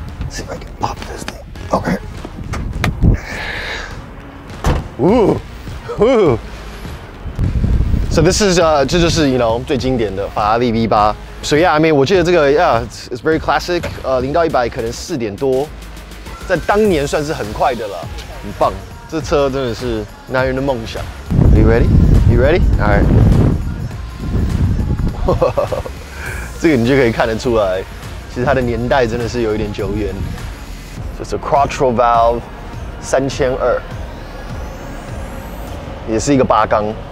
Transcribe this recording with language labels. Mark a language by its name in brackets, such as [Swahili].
[English] See if I can pop this thing. Okay. [Chinese] Ooh, ooh. [English] So this is [Chinese] 这就是 you know 最经典的法拉利 V 八。 [English] So yeah, I mean [Chinese] 我记得这个 [English] yeah it's very classic. [Chinese] 零到一百可能4.多，在当年算是很快的了。很棒，这车真的是男人的梦想。 [English] You ready? You ready? All right. [Chinese] 这个你就可以看得出来，其实它的年代真的是有一点久远。 [English] So it's a Quattro Valve 3200， [Chinese] 也是一个八缸。